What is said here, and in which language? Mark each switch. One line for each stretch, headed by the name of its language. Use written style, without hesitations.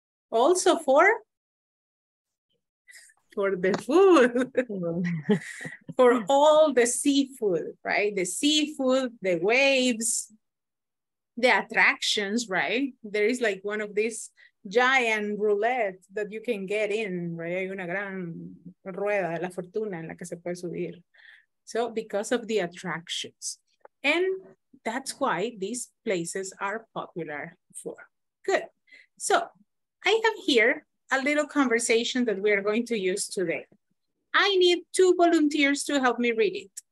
English: Also for the food, for all the seafood, right? The seafood, the waves, the attractions, right? There is like one of these giant roulette that you can get in, right?
Spanish: Hay una gran rueda de la fortuna en la que se puede subir.
English: So because of the attractions. And that's why these places are popular for. Good. So I have here a little conversation that we are going to use today. I need two volunteers to help me read it.